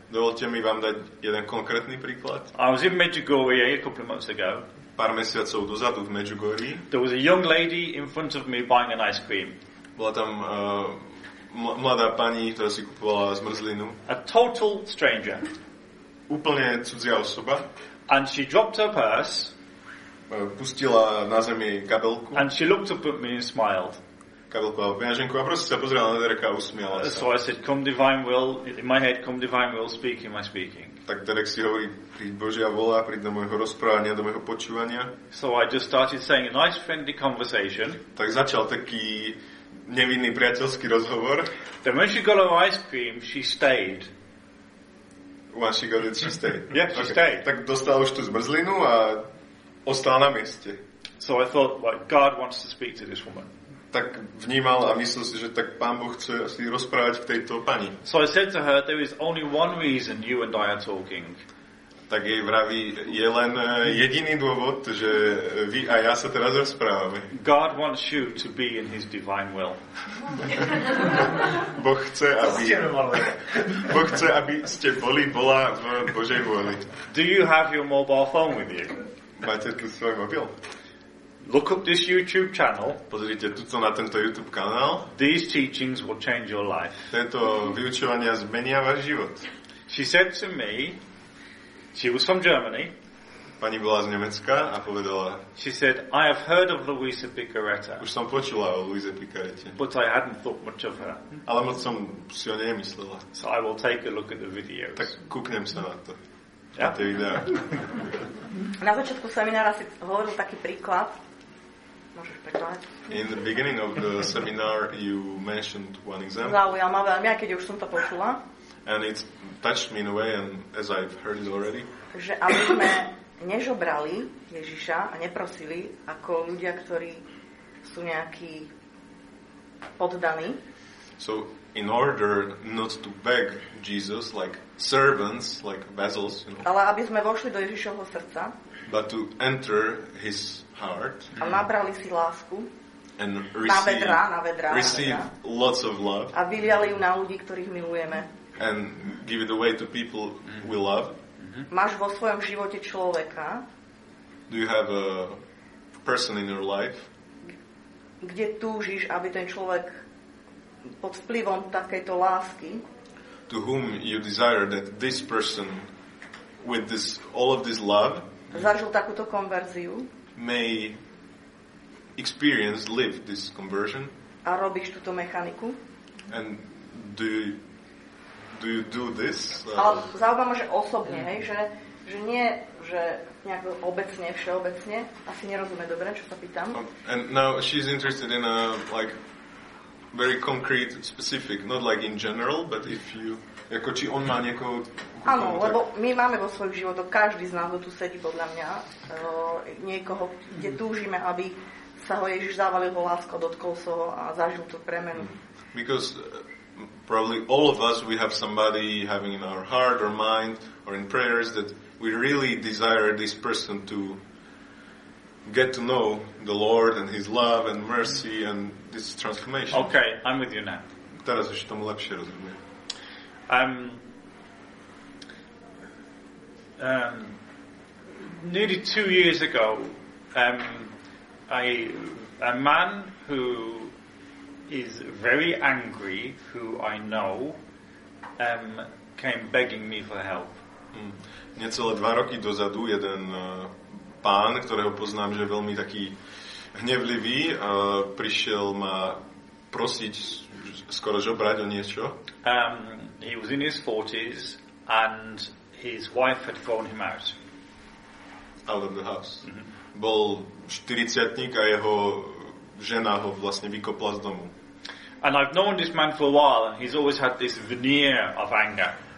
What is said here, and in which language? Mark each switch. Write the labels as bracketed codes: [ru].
[sk] Dovolte mi vám dať jeden konkrétny príklad. [en] I was in Medjugorje a couple of months ago. [sk] Pár mesiacov dozadu v Medjugorji. [en] There was a young lady in front of me buying an ice cream. [sk] Bola tam mladá pani, ktorá si kupovala zmrzlinu. [en] A total stranger. [sk] Úplne cudzia osoba. [en] And she dropped her purse. [sk] Pustila na zem jej kabelku. [en] And she looked up at me and smiled. [sk] Kabelku a peňaženku a proste sa pozrela na Dereka a usmiala sa. [en] So I said, come divine will, in my head, come divine will, speak in my speaking. [sk] Tak Derek si hovorí, príď Božia vola, príď do môjho rozprávania, do môjho počúvania. [en] So I just started saying a nice friendly conversation. [sk] Tak začal taký nevinný priateľský rozhovor. [en] Then when she got her ice cream, she stayed. Once she got it, she stayed. Yeah, she okay. stayed. [sk] Tak dostala už tú zmrzlinu a ostala na mieste. [en] So I thought, like, God wants to speak to this woman. [sk] Tak vnímal a myslel si, že tak Pán Boh chce asi rozprávať k tejto pani. [en] So I said to her, there is only one reason you and I are talking. [sk] Tak jej vraví, je len jediný dôvod, že vy a ja sa teraz rozprávame. [en] God wants you to be in his divine will. [sk] Boh chce, aby... Boh chce, aby ste boli, bola v Božej vôli. [en] Do you have your mobile phone with you? [sk] Máte tu svoj mobil? [en] Look up this YouTube channel. [sk] Pozrite tuto na tento YouTube kanál. [en] These teachings will change your life. [sk] Tieto vyučovania zmenia váš život. [en] She said to me, she was from Germany. [sk] Pani bola z Nemecka a povedala. [en] She said, I have heard of Luisa Picaretta. [sk] Už som počula o Luise Picarette. [en] But I hadn't thought much of her. [sk] Ale moc som si o nej nemyslela. [en] So I will take a look at the videos. [sk] Tak kúknem sa na to. Yeah. Na tie videá. Na začiatku seminára si hovoril taký príklad. [en] In the beginning of the seminar you mentioned one example. [sk] Zaujal ma veľmi, aj keď už som to počula. [en] And it touched me in a way and as I've heard it already. [sk] Že aby sme nežobrali Ježiša a neprosili ako ľudia, ktorí sú nejakí poddaní. [en] So in order not to beg Jesus like servants, like vessels, you know. [sk] Ale aby sme vošli do Ježišovho srdca. [en] But to enter his heart. [sk] A nabrali si lásku. [en] And receive lots of love. [sk] A vyliali ju na ľudí, ktorých milujeme. [en] And give it away to people we love. [sk] Máš vo svojom živote človeka? [en] Do you have a person in your life? [sk] Kde túžiš, aby ten človek pod vplyvom takejto lásky? [en] To whom you desire that this person with this all of this love [sk] zažil takúto konverziu? [en] May experience live this conversion. [sk] A robíš túto mechaniku? [en] And do you do this? [sk] Ale zaujímavé, že osobne, hej, že nie, že nejak obecne, všeobecne, asi nerozumie dobre, čo sa pýtam. [en] And now she's interested in a like very concrete, specific, not like in general, but if you, [sk] ako či on má niekoho... Áno, lebo my máme vo svojich životoch, každý z nás, kto tu sedí podľa mňa, niekoho, kde túžime, aby sa ho Ježiš zavalil vo lásku, dotkol sa ho a zažil tú premenu. [en] Because probably all of us, we have somebody having in our heart or mind or in prayers that we really desire this person to get to know the Lord and his love and mercy and this transformation. Okay, I'm with you now. [sk] Teraz už tomu lepšie rozumiem. [en] Nearly 2 years ago, a man who is very angry, who I know, came begging me for help. [sk] Necelé 2 roky dozadu jeden pán, ktorého poznám, že je veľmi taký hnevlivý, prišiel ma prosiť skoro žobrať o niečo. [en] He was in his 40s and his wife had thrown him out. Out of the house. [sk] Mm-hmm. Bol 40-tník a jeho žena ho vlastne vykopla z domu. [en] And I've known this man for a while and he's always had this veneer of anger.